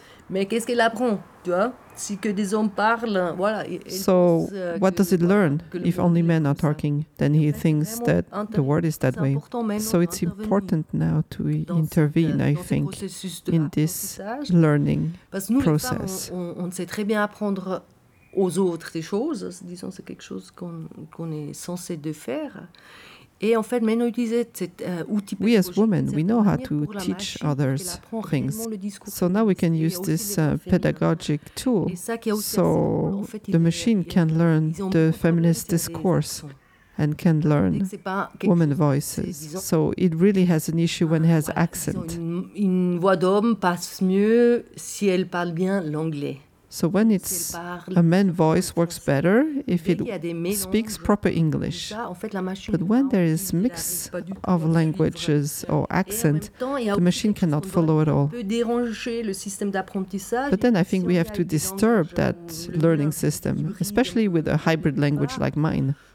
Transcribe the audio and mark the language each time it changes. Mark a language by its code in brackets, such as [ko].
[fr] Mais qu'est-ce qu'elle apprend, tu vois? Si que des hommes parlent, voilà. [en] So what does it learn if only men are talking? Then he thinks that the world is that way. So it's important now to intervene, I think, in this learning process. [fr] On sait très bien apprendre aux autres des choses, disons, c'est quelque chose qu'on est censé de faire. Et en fait, maintenant, utiliser cet outil... [en] We as women, we know how to teach others things. So now we can use this pedagogic tool. So the machine can learn the feminist discourse and can learn women voices. So it really has an issue when it has accent. [fr] Une voix d'homme passe mieux si elle parle bien l'anglais. [en] So when it's a man voice works better if it speaks proper English. But when there is mix of languages or accent, the machine cannot follow at all. But then I think we have to disturb that learning system, especially with a hybrid language like mine.